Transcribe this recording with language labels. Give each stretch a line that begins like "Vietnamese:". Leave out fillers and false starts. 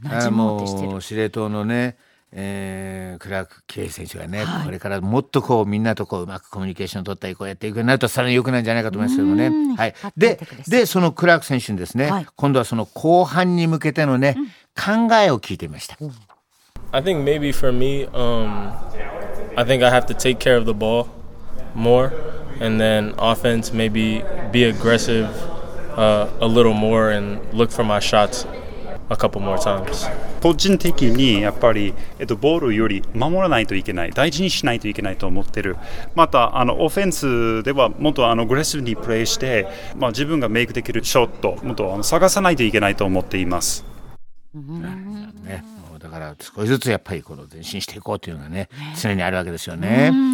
Japanese: 馴染もうとしてる司令塔のね、クラーク騎兵選手がね、はい、これからもっとこうみんなとこ うまくコミュニケーション取ったりこうやっていくようになるとさらに良くなるんじゃないかと思いますけどね、はい、でそのクラーク選手にですね、はい、今度はその後半に向けてのね、うん、考えを聞いてみました。
English: I think maybe for me、I think I have to take care of the ball more and then offense maybe be aggressive、a little more and look for my shots a couple more times。
Japanese: 個人的にやっぱり、ボールより守らないといけない、大事にしないといけないと思ってる。またあのオフェンスではもっとアグレッシブにプレーして、まあ、自分がメイクできるショットもっと探さないといけないと思っています。ね、だから少しずつやっぱりこの前進していこうというのがね常にあるわけですよね。